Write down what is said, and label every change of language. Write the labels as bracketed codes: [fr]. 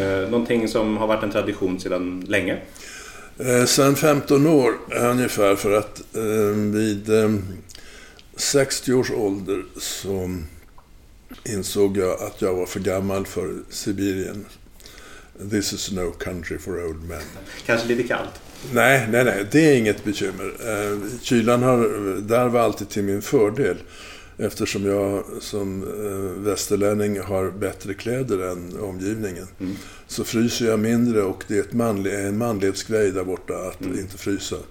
[sv] Någonting som har varit en tradition sedan länge. Sedan 15 år ungefär, för att vid... 60 års ålder så insåg jag att jag var för gammal för Sibirien. [en] This is no country for old men. [sv] Kanske lite kallt? Nej, det är inget bekymmer. Kylan har där var alltid till min fördel, eftersom jag som västerlänning har bättre kläder än omgivningen. Mm. Så fryser jag mindre, och det är en manlighetsgrej där borta att inte frysa.